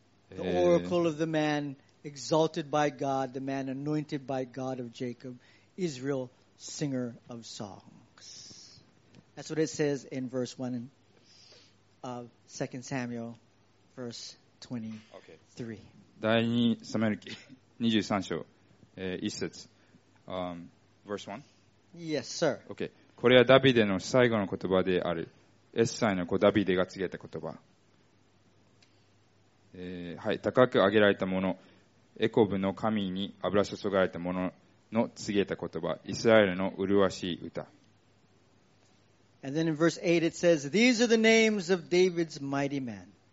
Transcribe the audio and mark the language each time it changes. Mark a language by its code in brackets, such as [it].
[en] The oracle of the man exalted by God, the man anointed by God of Jacob, Israel, singer of songs. That's what it says in verse 1 of 2 Samuel, verse 23. [ja] Okay. 第2サムエル記23章、1節、 [en] verse 1? Yes, sir. Okay. [ja] これはダビデの最後の言葉である。エッサイの子ダビデが告げた言葉。はい、高く上げられた者、エコブの神に油注がれた者の告げた言葉、イスラエルの麗しい歌。 [en] And then in verse 8 it says, These are the names of David's mighty men.